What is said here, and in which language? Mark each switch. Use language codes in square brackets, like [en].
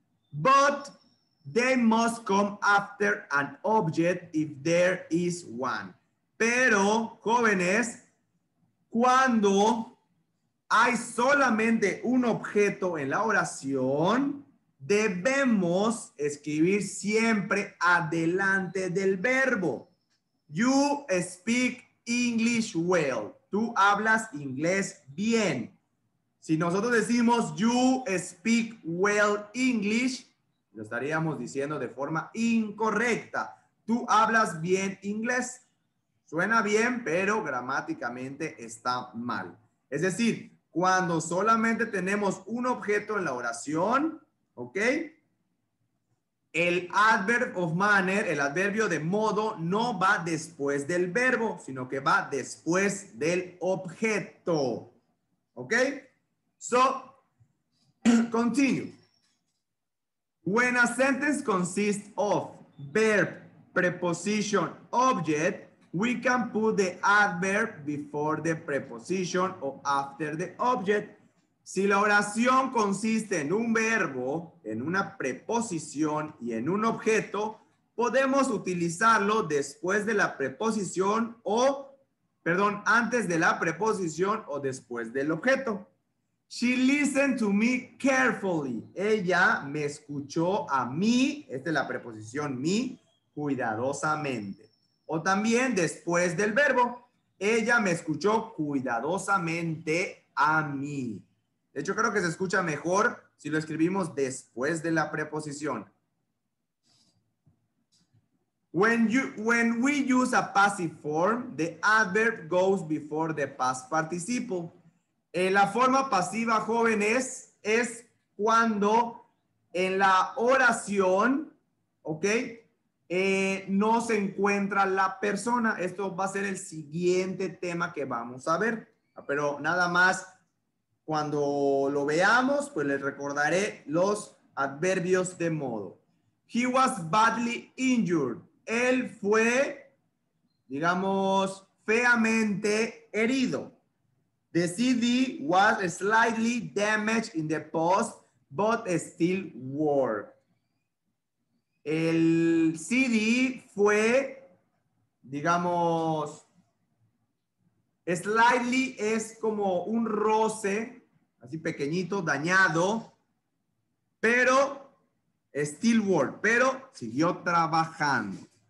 [en] But they must come after an object if there is one. [es] Pero, jóvenes, cuando hay solamente un objeto en la oración, debemos escribir siempre adelante del verbo. [en] You speak English well. [es] Tú hablas inglés bien. Si nosotros decimos [en] you speak well English, [es] lo estaríamos diciendo de forma incorrecta. Tú hablas bien inglés. Suena bien, pero gramáticamente está mal. Es decir, cuando solamente tenemos un objeto en la oración, ¿ok? El adverb of manner, el adverbio de modo, no va después del verbo, sino que va después del objeto. [en] ¿Ok? So, continue. When a sentence consists of verb, preposition, object, we can put the adverb before the preposition or after the object. [es] Si la oración consiste en un verbo, en una preposición y en un objeto, podemos utilizarlo después de la preposición o, perdón, antes de la preposición o después del objeto. [en] She listened to me carefully. [es] Ella me escuchó a mí, esta es la preposición me, cuidadosamente. O también después del verbo. Ella me escuchó cuidadosamente a mí. De hecho, creo que se escucha mejor si lo escribimos después de la preposición. [en] When we use a passive form, the adverb goes before the past participle. [es] La forma pasiva, jóvenes, es cuando en la oración, ¿ok? No se encuentra la persona. Esto va a ser el siguiente tema que vamos a ver. Pero nada más, cuando lo veamos, pues les recordaré los adverbios de modo. [en] He was badly injured. [es] Él fue, digamos, feamente herido. [en] The CD was slightly damaged in the post, but still worked. [es] El CD fue, digamos, slightly, es como un roce, así pequeñito, dañado, pero [en] still work, [es] pero siguió trabajando.